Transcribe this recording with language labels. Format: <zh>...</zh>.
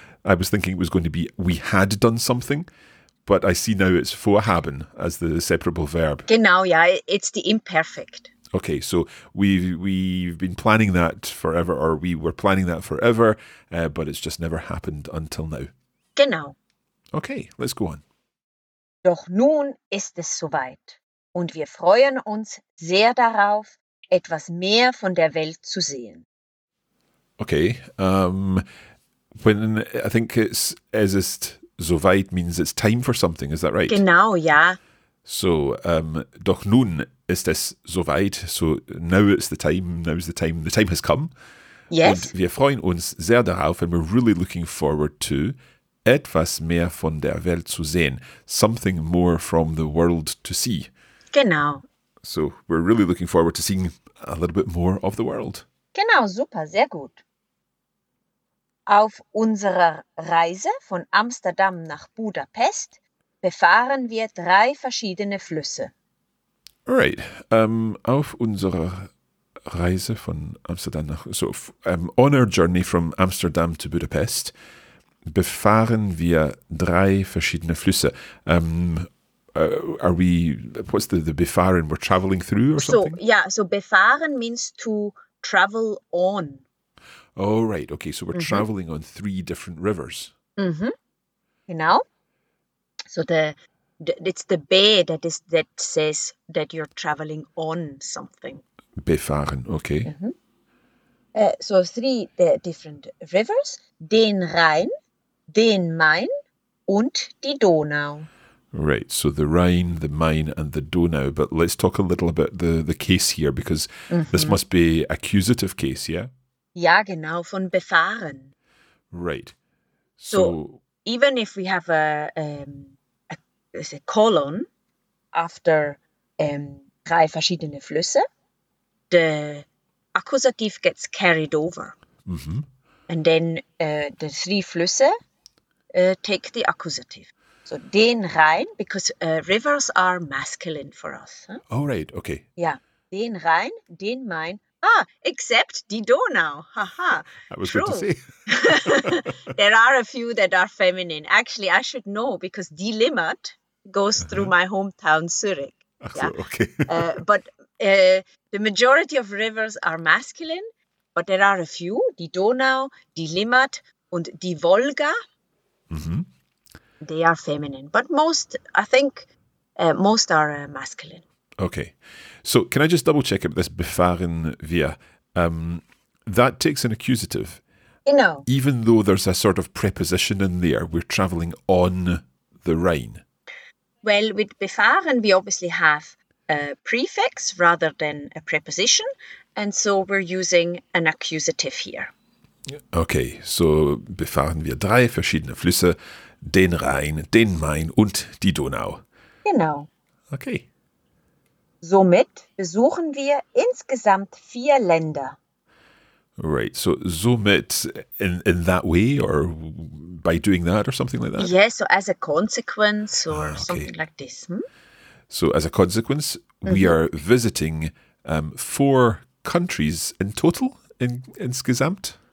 <en>I was thinking it was going to be we had done something, but I see now it's Vorhaben as the separable verb. Genau, yeah. It's the imperfect. Okay, so we've been planning that forever, or we were planning that forever, but it's just never happened until now.</en> <de>Genau.</de> <en>Okay, let's go on.</en> <de>Doch nun ist es soweit, und wir freuen uns sehr darauf, etwas mehr von der Welt zu sehen.</de> <en>Okay, when I think it's</en> <de>es ist soweit</de> <en>means it's time for something, is that right?</en> <de>Genau, ja. So, doch nun ist es soweit.</de> <en>So, now it's the time. Now's the time. The time has come. Yes.</en> <de>Und wir freuen uns sehr darauf,</de> <en>and we're really looking forward to</en> <de>etwas mehr von der Welt zu sehen.</de> <en>Something more from the world to see.</en> <de>Genau.</de> <en>So, we're really looking forward to seeing a little bit more of the world.</en> <de>Genau, super, sehr gut. Auf unserer Reise von Amsterdam nach Budapest befahren wir drei verschiedene Flüsse.</de> <en>Right.</en> <de>Auf unserer Reise von Amsterdam nach</de> <en>on our journey from Amsterdam to</en> <de>Budapest befahren wir drei verschiedene Flüsse.</de> <en>What's the befahren? We're traveling through or something? So befahren means to travel on. Oh, right. Okay, so we're traveling on three different rivers.</en> <de>Mm-hmm. Genau.</de> <en>So it's the B that says that you're traveling on something. Befahren, okay. Mm-hmm. So three different rivers.</en> <de>Den Rhein, den Main und die Donau.</de> <en>Right, so the Rhine, the Main and the Donau. But let's talk a little about the case here, because this must be accusative case, yeah?</en> <de>Ja, genau, von befahren.</de> <en>Right. So even if we have a colon after</en> <de>drei verschiedene Flüsse,</de> <en>the accusative gets carried over. Mm-hmm. And then the three Flüsse take the accusative. So</en> <de>den Rhein,</de> <en>because rivers are masculine for us. Huh? Oh, right, okay. Yeah,</en> <de>den Rhein, den Main.</de> <en>Ah, except</en> <de>die Donau.</de> <en>Haha. That was good to see. There are a few that are feminine. Actually, I should know because die Limmat goes through my hometown, Zurich. Okay. the majority of rivers are masculine, but there are a few.</en> <de>Die Donau, die Limmat und die Wolga. Mm-hmm.</de> <en>They are feminine. But most, I think, most are masculine. Okay. So can I just double check about this</en> <de>befahren wir?</de> <en>That takes an accusative. No. Even though there's a sort of preposition in there, we're traveling on the Rhine. Well, with befahren, we obviously have a prefix rather than a preposition. And so we're using an accusative here. Okay.</en> <de>So befahren wir drei verschiedene Flüsse, den Rhein, den Main und die Donau. Genau.</de> <en>Okay.</en> <de>Somit besuchen wir insgesamt vier Länder.</de> <en>Right, so somit in that way or by doing that or something like that? Yes, so as a consequence or something like this. Hmm? So as a consequence, we are visiting four countries in total, insgesamt?</en>